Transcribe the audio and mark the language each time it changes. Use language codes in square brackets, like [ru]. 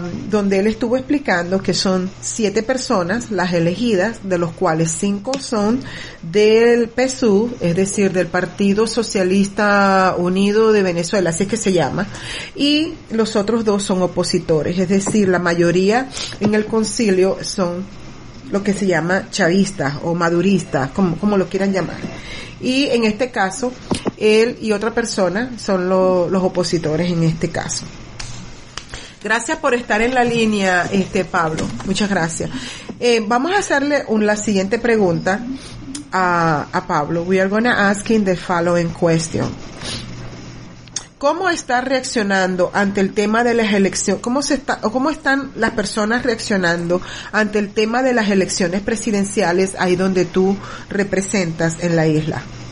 [es] Donde él estuvo explicando que son 7 personas las elegidas, de los cuales 5 son del PSU, es decir, del Partido Socialista Unido de Venezuela, así es que se llama, y los otros 2 son opositores, es decir, la mayoría en el concilio son lo que se llama chavistas o maduristas, como lo quieran llamar. Y en este caso, él y otra persona son los opositores en este caso. Gracias por estar en la línea, Pablo. Muchas gracias. Vamos a hacerle la siguiente pregunta a Pablo. [en] We are going to ask him the following question. [es] ¿Cómo está reaccionando ante el tema de las elecciones? ¿Cómo están las personas reaccionando ante el tema de las elecciones presidenciales ahí donde tú representas en la isla?